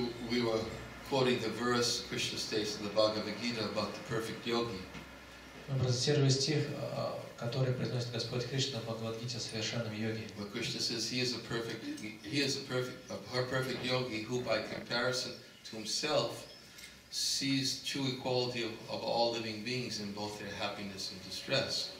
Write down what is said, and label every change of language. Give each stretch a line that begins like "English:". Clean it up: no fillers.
English: We were quoting the verse Krishna states in the Bhagavad Gita about the perfect yogi.
Russian: Мы процитировали стих, который произносит Господь Кришна в Бхагавад-гите о совершенном йоге.
English: Where Krishna says he is a perfect yogi who by comparison to himself sees true equality of all living beings in both their happiness and distress.